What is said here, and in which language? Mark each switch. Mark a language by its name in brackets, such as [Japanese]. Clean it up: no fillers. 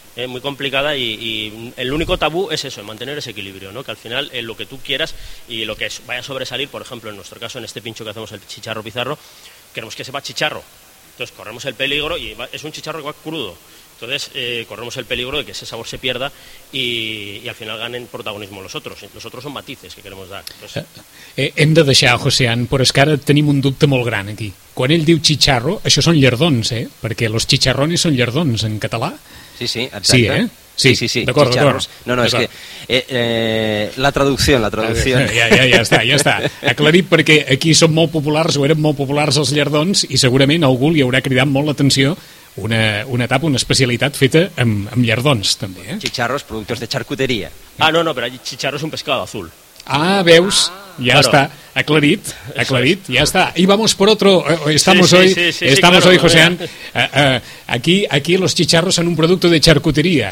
[Spanish] Muy complicada y el único tabú es eso, mantener ese equilibrio, ¿no? Que al final lo que tú quieras y lo que vaya a sobresalir, por ejemplo, en nuestro caso, en este pincho que hacemos el chicharro pizarro, queremos que sepa chicharro. Entonces corremos el peligro y es un chicharro que va crudo. Entonces corremos el peligro de que ese sabor se pierda y al final ganen protagonismo los otros. Los otros son matices que queremos dar. Entonces... [Catalan] Hem de deixar, José Ann, però és que ara tenim un dubte molt gran aquí. Quan ell diu chicharro, això són llardons, ¿eh? Perquè [Spanish] los chicharrones son [Catalan] llardons en català. Sí, sí, exacte. Sí, ¿eh? Sí. D'acord, d'acord. No, és que... La traducció. Ja està. Aclarit, perquè aquí som molt populars, o érem molt populars els llardons, i segurament algú li haurà cridat molt l'atenció una etapa, una especialitat feta amb llardons, també. Eh? Chicharros, productes de charcuteria. Ah, no, però chicharros és un [Spanish] pescado azul. [Catalan] Ah, veus, [Spanish] ya claro. Está, [Catalan] aclarit, [Spanish] ya está. Y vamos por otro, estamos hoy, José Ann, aquí los chicharros son un producto de charcutería.